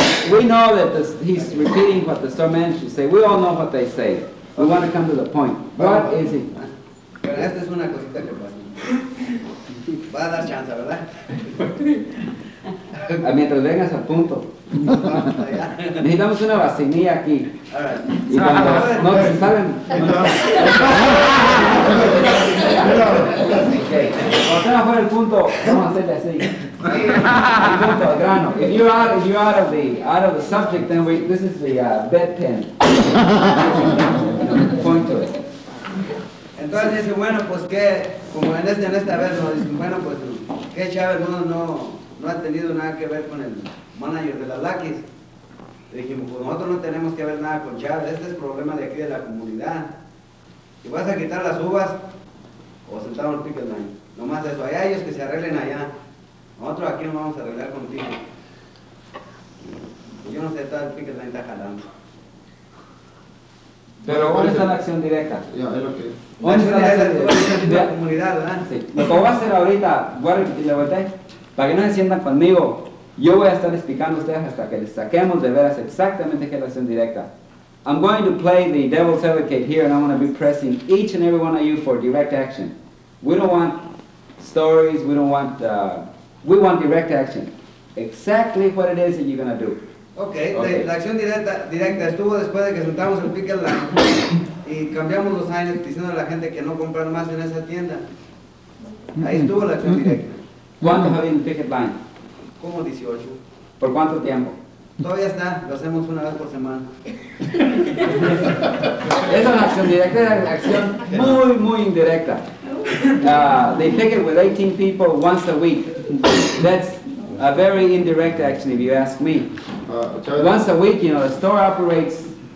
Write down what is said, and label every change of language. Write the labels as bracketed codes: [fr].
[en] Bueno. We know that he's repeating what the store manager say. We all know what they say. We want to come to the point. What is it? [es] Pero esta es una cosita que pasa. Va a dar chance, ¿verdad? Mientras vengas al punto. Necesitamos una vacinilla aquí. [en] Right. [es] Y cuando no se salen. Cuando fuera el punto, vamos a hacerle así. El punto, el grano. [en] If you're out of the subject, then this is the bedpan. Point to it. [es] Entonces dice, bueno, pues que, como en esta vez, ¿no? Dice, bueno, pues que Chávez no ha tenido nada que ver con el manager de las Lakis. Dijimos, pues nosotros no tenemos que ver nada con Chávez, este es problema de aquí de la comunidad. Si vas a quitar las uvas, o sentamos el picket line. Nomás eso, allá ellos que se arreglen allá. Nosotros aquí nos vamos a arreglar contigo. Yo no sé, está el picket line está jalando. Pero ¿cuál es la acción directa? Ya, es lo que. ¿Cuál es la acción de la comunidad, verdad? Sí. Lo que voy a hacer ahorita, voy a repetir la vuelta, para que no se sientan conmigo. Yo voy a estar explicando a ustedes hasta que les saquemos de veras exactamente qué es la acción directa. [en] I'm going to play the devil's advocate here, and I want to be pressing each and every one of you for direct action. We don't want stories, we don't want, we want direct action. Exactly what it is that you're going to do. [es] Okay, okay. La acción directa estuvo después de que sentamos el pick and line y cambiamos los signs diciendo a la gente que no comprar más en esa tienda. Ahí estuvo la acción directa. ¿Cuánto había en el picket line? Como 18. ¿Por cuánto tiempo? Todavía está, lo hacemos una vez por semana. Esa es la acción directa, es una acción muy, muy indirecta. [en] They picket with 18 people once a week. That's a very indirect action, if you ask me. Once a week, you know, the store operates.